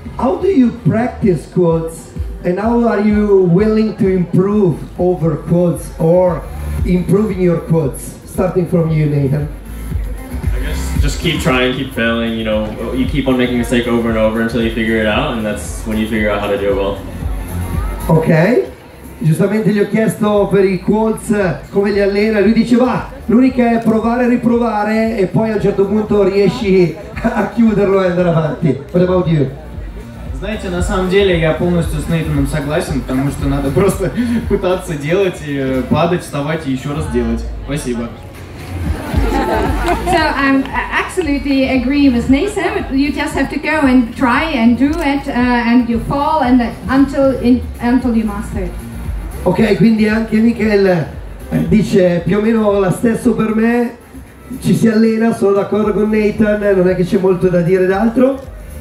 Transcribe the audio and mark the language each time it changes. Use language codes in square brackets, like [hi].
[en] How do you practice quads, and how are you willing to improve over quads or improving your quads? Starting from you, Nathan. I guess just keep trying, keep failing, you know, you keep on making a mistake over and over until you figure it out, and that's when you figure out how to do it well. Okay. [it] Giustamente gli ho chiesto per i quotes come li allena, lui dice va, l'unica è provare a riprovare e poi a un certo punto riesci a chiuderlo e andare avanti. [en] What about you? [ru] Знаете, на самом деле я полностью с Нейтаном согласен, потому что надо просто пытаться делать, и падать, вставать и еще раз делать. Спасибо. [en] So I'm absolutely agree with Nathan. You just have to go and try and do it, and you fall and until you master it. [it] Ok, quindi anche Michele dice più o meno lo stesso per me. Ci si allena, sono d'accordo con Nathan. Non è che c'è molto da dire d'altro.